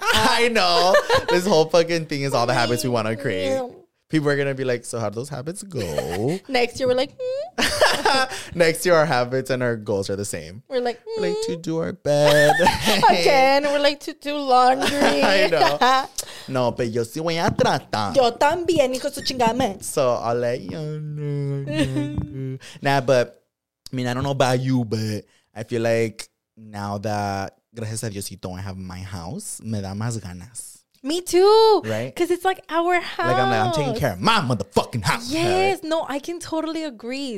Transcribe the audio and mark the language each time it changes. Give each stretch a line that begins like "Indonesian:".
English: I know. This whole fucking thing is all the habits we want to create. People are going to be like, so how do those habits go? Next year, we're like, Next year, our habits and our goals are the same. We're like, we like to do our bed. Again, we're like to do laundry. I know.
Spanish: No, pero yo sí voy a tratar. Yo también, hijo su chingame.
English: So I'll let you know. Nah, but I mean, I don't know about you, but I feel like now that,
Spanish: gracias a Diosito,
English: I have my house,
Spanish: me da más ganas.
English: Me too. Right? Because it's like our house. Like, I'm taking care of my motherfucking house. Yes. Right? No, I can totally agree.